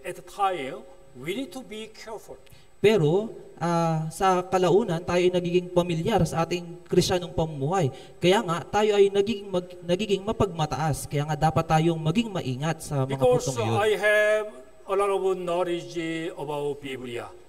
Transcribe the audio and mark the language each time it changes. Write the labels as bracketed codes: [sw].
[en] At the time, we need to be careful. [tl] Pero, sa kalaunan, tayo ay nagiging pamilyar sa ating Kristiyanong pamumuhay. Kaya nga, tayo ay nagiging mapagmataas. Kaya nga, dapat tayong maging maingat sa mga putong yun. [en] Because I have a lot of knowledge about Biblia.